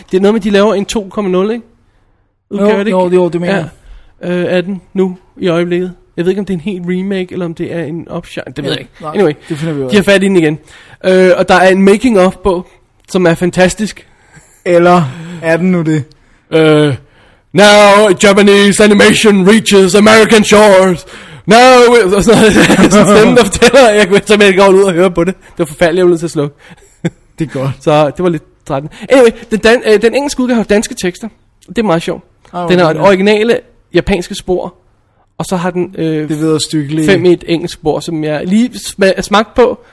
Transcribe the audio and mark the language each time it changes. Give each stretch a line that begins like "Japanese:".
Danish: Det er noget med, de laver en 2.0, ikke? Udgave, jo, det er det, mener jeg. Er den nu i øjeblikket? Jeg ved ikke, om det er en helt remake, eller om det er en upshine. Det ved jeg ikke. Nej,
English: anyway,
Danish: det finder vi de har fat i den igen. Og der er en making-of på, som er fantastisk. Eller er den nu det?
English: Now Japanese animation reaches American shores. Now we'll...
Danish: Så stemmen der fortæller, jeg kunne ikke tage med ud og høre på det. Det var forfærdeligt, jeg blev til at slukke. Det er godt. Så det var lidt trættende. Anyway, den engelske udgave har danske tekster. Det er meget sjovt. Den har et originale japanske spor. Og så har den 5-1 engelsk spor, som jeg lige smagt på.